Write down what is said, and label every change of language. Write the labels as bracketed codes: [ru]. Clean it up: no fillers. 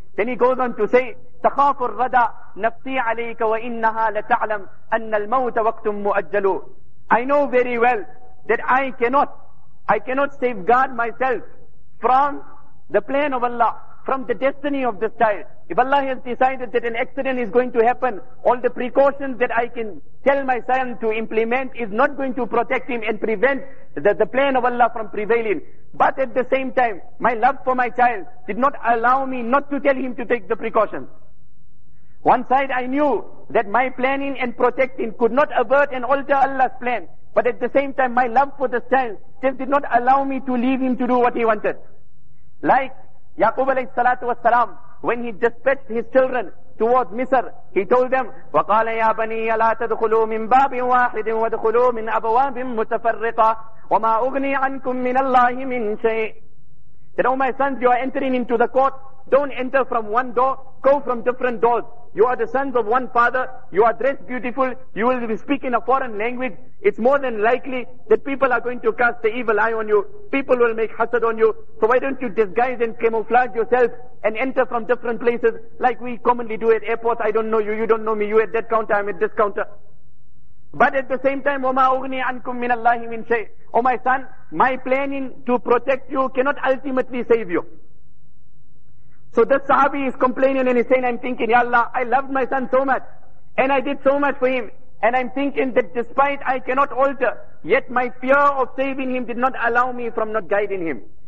[en] Then he goes on to say, [ar] تَخَافُ الرَّدَى نَفْسِي عَلَيْكَ وَإِنَّهَا لَتَعْلَمْ أَنَّ الْمَوْتَ وَقْتٌ مُؤَجَّلُ. [en] I know very well that I cannot safeguard myself from the plan of Allah, from the destiny of this child. If Allah has decided that an accident is going to happen, all the precautions that I can tell my son to implement is not going to protect him and prevent the plan of Allah from prevailing. But at the same time, my love for my child did not allow me not to tell him to take the precautions. One side I knew that my planning and protecting could not avert and alter Allah's plan. But at the same time, my love for this child still did not allow me to leave him to do what he wanted. Like Yaqub alayhi salatu was salam, when he dispatched his children towards Misr, he told them, [ar] وَقَالَ يَا بَنِيَ لَا تَدْخُلُوا مِن بَابٍ وَاحِدٍ وَدْخُلُوا مِن أَبْوَابٍ مُتَفَرِّقًا وَمَا أُغْنِي عَنْكُم مِّنَ اللَّهِ مِن شَيْءٍ. [en] Said, oh my sons, you are entering into the court. Don't enter from one door. Go from different doors. You are the sons of one father. You are dressed beautiful. You will be speaking a foreign language. It's more than likely that people are going to cast the evil eye on you. People will make hasad on you. So why don't you disguise and camouflage yourself and enter from different places like we commonly do at airports. I don't know you. You don't know me. You at that counter. I'm at this counter. But at the same time, [ar] وَمَا أُغْنِي عَنْكُمْ مِنَ اللَّهِ مِنْ شَيْءٍ. [en] Oh my son, my planning to protect you cannot ultimately save you. So this sahabi is complaining and he's saying, I'm thinking, Ya Allah, I loved my son so much and I did so much for him, and I'm thinking that despite I cannot alter, yet my fear of saving him did not allow me from not guiding him.